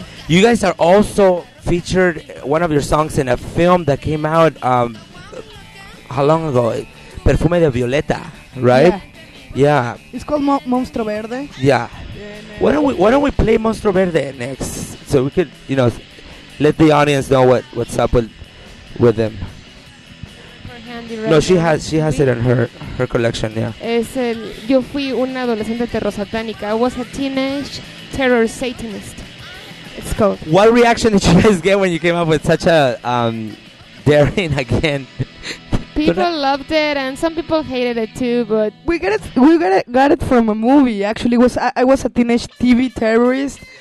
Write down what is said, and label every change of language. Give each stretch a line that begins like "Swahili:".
English: You guys are also featured one of your songs in a film that came out how long ago? Perfume de Violeta, right? Yeah. It's called Monstruo Verde. Yeah. Why don't we play Monstruo Verde next, so we could, you know, let the audience know what's up with them. No, she has it in her collection, yeah.
Spanish: Es el yo fui una adolescente terror satánica.
English: I was a teenage terror satanist. It's called. What reaction did you guys get when you came up with such a daring again? People loved it, and some people hated it too. But we got it from a movie. Actually, I was a teenage TV terrorist.